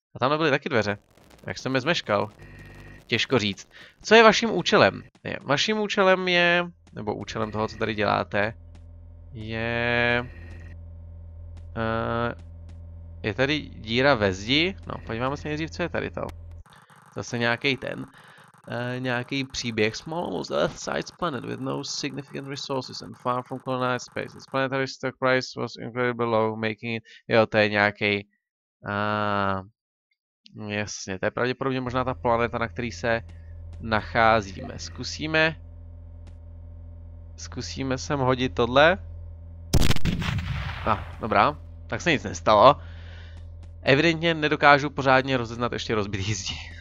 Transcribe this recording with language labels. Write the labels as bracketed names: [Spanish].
[Czech] A tam nebyly taky dveře. Jak jsem je zmeškal? Těžko říct. Co je vaším účelem? Vaším účelem je, nebo účelem toho, co tady děláte, je... je tady díra ve zdi? No, podíváme se nejdřív, co je tady to. Zase nějaký ten. Nějaký příběh. [English] Small, almost Earth-sized planet with no significant resources and far from colonized space. Its planetary stock price was incredibly low, making it... [Czech] Jo, to je nějaký. Jasně, to je pravděpodobně možná ta planeta, na který se nacházíme. Zkusíme sem hodit tohle. Dobrá, tak se nic nestalo. Evidentně nedokážu pořádně rozeznat ještě rozbitý zdi.